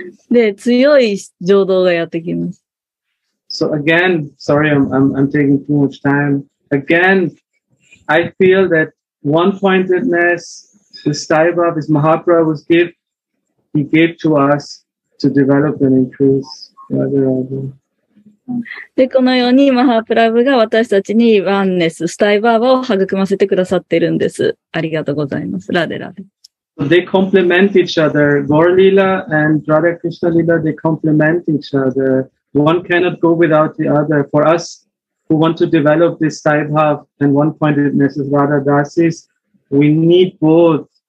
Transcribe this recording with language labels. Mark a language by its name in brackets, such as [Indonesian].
[Japanese] で、強い情動がやってきます。 [English] So again, sorry, I'm taking too much time. Again, I feel that one-pointedness, the style of his Mahaprabhu's gift, he gave to us to develop and increase Radharani. [Japanese] でこのようにマハプラブが私たちにワンネススタイバーバを育ませてくださっているんです。ありがとうございます。ラデラデ。 [English] They complement each other. Gaura-lila and Radha Krishna-lila, they complement each other. One cannot go without the other. For us who want to develop this Saibhav and one-pointedness as Radha Dasis, we need both.